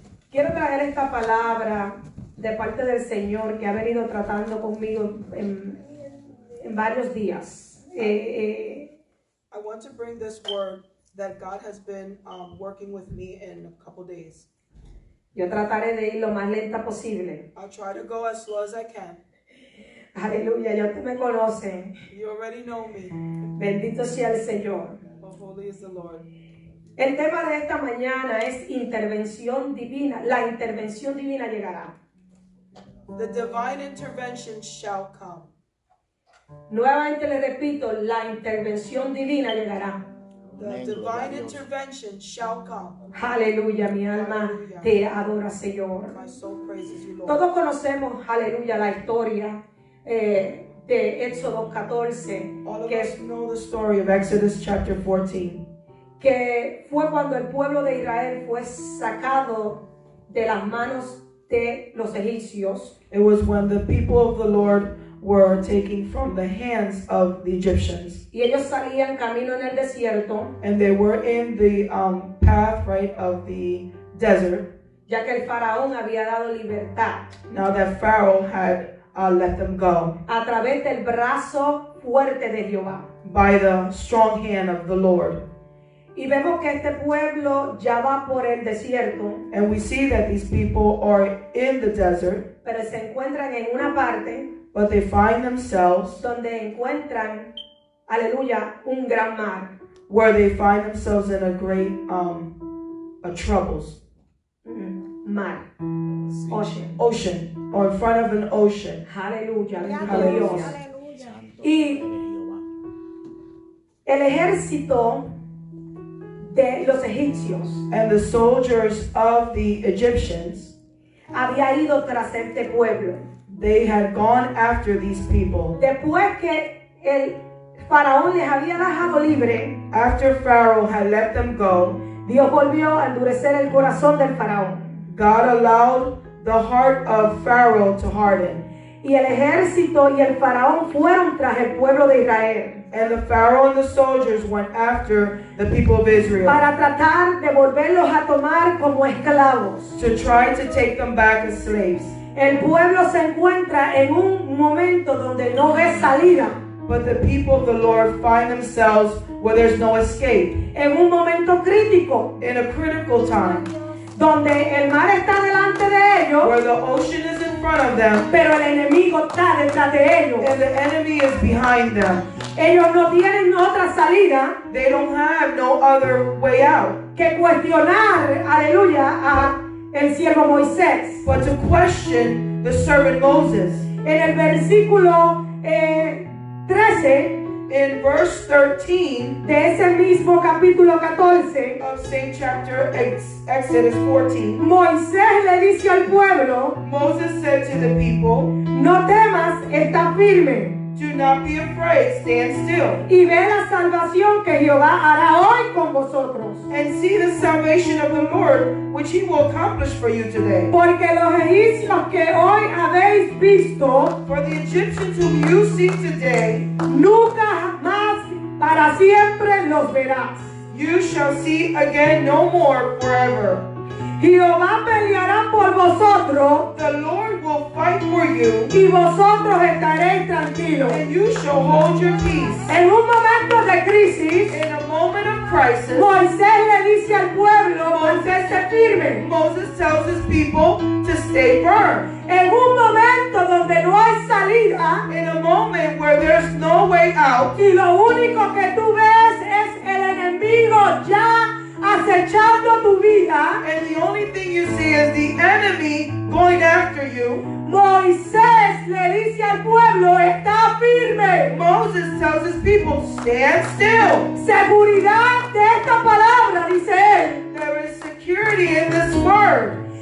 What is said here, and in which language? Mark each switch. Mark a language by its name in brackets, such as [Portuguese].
[Spanish] Quiero traer esta palabra de parte del Señor que ha venido tratando conmigo en varios días. [English] I want to bring this word that God has been working with me in a couple days. [Spanish] Yo trataré de ir lo más lenta posible. [English] I'll try to go as slow as I can. [Spanish] Aleluya, ya usted me conoce. [English] You already know me. [Spanish] Bendito sea el Señor. [English] Oh, holy is the Lord. [Spanish] El tema de esta mañana es intervención divina. La intervención divina llegará. [English] The divine intervention shall come. [Spanish] Nuevamente le repito, la intervención divina llegará. [English] The divine intervention shall come. [Spanish] Aleluya, mi alma te adora, Señor. [English] My soul praises you, Lord. [Spanish] Todos conocemos, aleluya, la historia de Éxodo 14. [English] All of us know the story of Exodus chapter 14. [Spanish] Que fue cuando el pueblo de Israel fue sacado de las manos de los egipcios. [English] It was when the people of the Lord were taken from the hands of the Egyptians. [Spanish] Y ellos salían camino en el desierto. [English] And they were in the path, right, of the desert. [Spanish] Ya que el faraón había dado libertad. [English] Now that Pharaoh had let them go. [Spanish] A través del brazo fuerte de Jehová. [English] By the strong hand of the Lord. [Spanish] Y vemos que este pueblo ya va por el desierto. [English] And we see that these people are in the desert. [Spanish] Pero se encuentran en una parte. [English] But they find themselves. [Spanish] Donde encuentran, aleluya, un gran mar. [English] Where they find themselves in a great, troubles. [Spanish] Mar. [English] Ocean. Ocean. Or in front of an ocean. [Spanish] Aleluya. Aleluya. Y el ejército de los egipcios. [English] And the soldiers of the Egyptians. [Spanish] Había ido tras este pueblo. [English] They had gone after these people. [Spanish] Después que el faraón les había dejado libre. [English] After Pharaoh had let them go. [Spanish] Dios volvió a endurecer el corazón del faraón. [English] God allowed the heart of Pharaoh to harden. [Spanish] Y el ejército y el faraón fueron tras el pueblo de Israel. [English] And the Pharaoh and the soldiers went after the people of Israel. [Spanish] Para tratar de volverlos a tomar como esclavos. [English] To try to take them back as slaves. [Spanish] El pueblo se encuentra en un momento donde no ve salida. [English] But the people of the Lord find themselves where there's no escape. [Spanish] En un momento crítico. [English] In a critical time. [Spanish] Donde el mar está delante de ellos. [English] Where the ocean is in front of them. [Spanish] Pero el enemigo está detrás de ellos. [English] And the enemy is behind them. [Spanish] Ellos no tienen otra salida. [English] They don't have no other way out. [Spanish] Que cuestionar, aleluya, a el siervo Moisés. [English] But to question the servant Moses. [Spanish] En el versículo 13. [English] In verse 13. [Spanish] De ese mismo capítulo 14. [English] Of same chapter Exodus 14. [Spanish] Moisés le dice al pueblo. [English] Moses said to the people. [Spanish] No temas, está firme. [English] Do not be afraid, stand still. [Spanish] Y ve la salvación que Jehová hará hoy con vosotros. [English] And see the salvation of the Lord, which he will accomplish for you today. [Spanish] Porque los egipcios que hoy habéis visto, [English] for the Egyptians whom you see today, [Spanish] nunca más para siempre los verás. [English] You shall see again no more forever. [Spanish] Jehová peleará por vosotros. [English] The Lord will fight for you. [Spanish] Y vosotros estaréis tranquilos. [English] And you shall hold your peace. [Spanish] En un momento de crisis. [English] In a moment of crisis. [Spanish] Moisés le dice al pueblo. Manténse firme. [English] Moses tells his people to stay firm. [Spanish] En un momento donde no hay salida. [English] In a moment where there's no way out. [Spanish] Y lo único que tú ves es el enemigo ya acechando tu vida. [English] And the only thing you see is the enemy going after you. [Spanish] Moisés le dice al pueblo, está firme. [English] Moses tells his people, stand still. [Spanish] Seguridad de esta palabra, dice él. [English] There is security in this word.